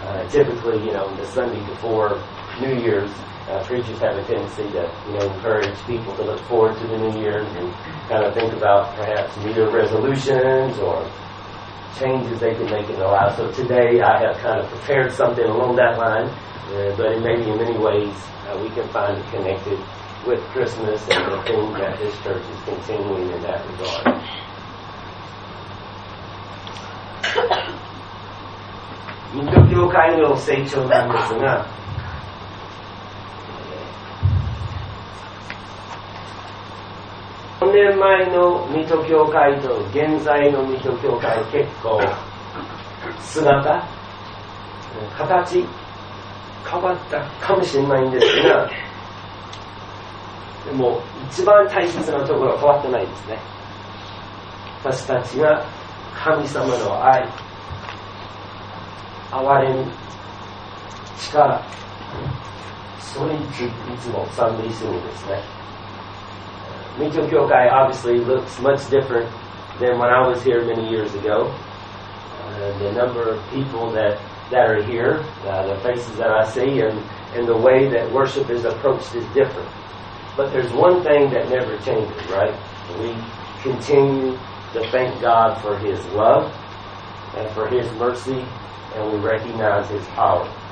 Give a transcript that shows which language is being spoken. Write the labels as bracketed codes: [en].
[en] Typically, you know, the Sunday before New Year's, preachers have a tendency to, you know, encourage people to look forward to the New Year and kind of think about perhaps New Year resolutions or changes they can make in their lives. So today I have kind of prepared something along that line. But maybe in many ways we can find it connected with Christmas and the thing that this church is continuing in that regard. [ja] ミト教会の成長なんですが、4年前のミト教会と現在のミト教会、結構姿形変わったかもしれないんですが、でも一番大切なところは変わってないですね。私たちが神様の愛、憐れみ、力、それについつも賛美するんですね。 [en] ミト教会 obviously looks much different than when I was here many years ago. The number of people that are here, the faces that I see, and the way that worship is approached is different. But there's one thing that never changes, right? We continue to thank God for His love and for His mercy, and we recognize His power.